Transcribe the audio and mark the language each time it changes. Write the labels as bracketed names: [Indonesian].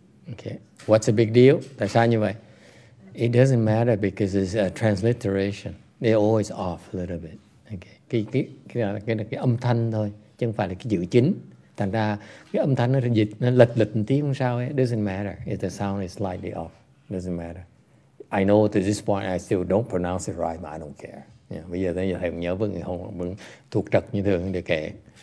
[English] Okay. What's the big deal? [Vietnamese] Tại sao như vậy? [English] It doesn't matter because it's a transliteration. They're always off a little bit. Okay. [Vietnamese] Cái âm thanh thôi, chứ không phải là cái chữ chính. Thành ra cái âm thanh nó dịch, nó lệch một tí không sao ấy. [English] It doesn't matter if the sound is slightly off. It doesn't matter. I know to this point I still don't pronounce it right, but I don't care. Yeah. [Vietnamese] Bây giờ thấy thầy nhớ với người không, vẫn thuộc trật như thường để kể.